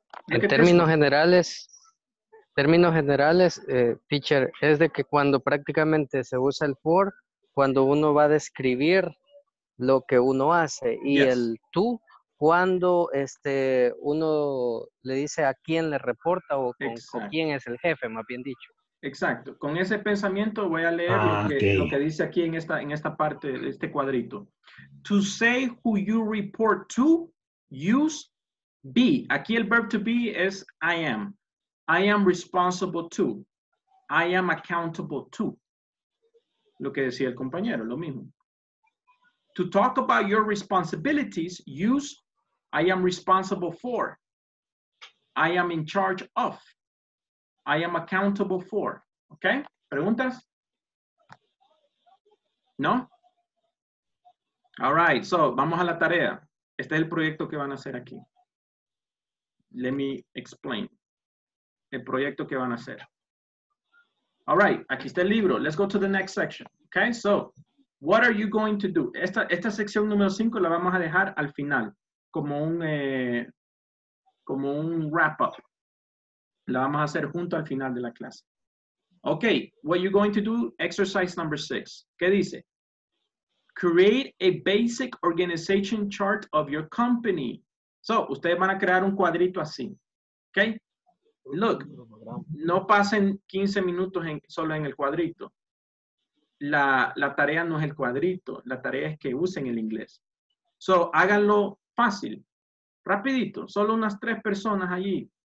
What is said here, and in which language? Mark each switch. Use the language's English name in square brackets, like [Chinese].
[Spanish] En términos generales, teacher, es de que cuando prácticamente se usa el for, cuando uno va a describir lo que uno hace, y yes. el tú, cuando uno le dice a quién le reporta o con quién es el jefe, más bien dicho. Exacto. Con ese pensamiento voy a leer lo que dice aquí en esta parte, este cuadrito. [English] To say who you report to, use be. [Spanish] Aquí el verb to be es I am. [English] I am responsible to. I am accountable to. [Spanish] Lo que decía el compañero, lo mismo. [English] To talk about your responsibilities, use I am responsible for. I am in charge of. I am accountable for. Okay? ¿Preguntas? [Spanish] No? [English] All right. [Spanish] So, vamos a la tarea. Este es el proyecto que van a hacer aquí. [English] Let me explain [Spanish] el proyecto que van a hacer. [English] All right, [Spanish] aquí está el libro. [English] Let's go to the next section. Okay, so what are you going to do? [Spanish] Esta sección número 5 la vamos a dejar al final como un wrap up. La vamos a hacer junto al final de la clase. [English] Ok, what are you going to do? Exercise number 6. [Spanish] ¿Qué dice? [English] Create a basic organization chart of your company. [Spanish] So, ustedes van a crear un cuadrito así. Ok. Look, no pasen 15 minutos solo en el cuadrito. La tarea no es el cuadrito. La tarea es que usen el inglés. So, háganlo fácil. Rapidito. Solo unas 3 personas allí.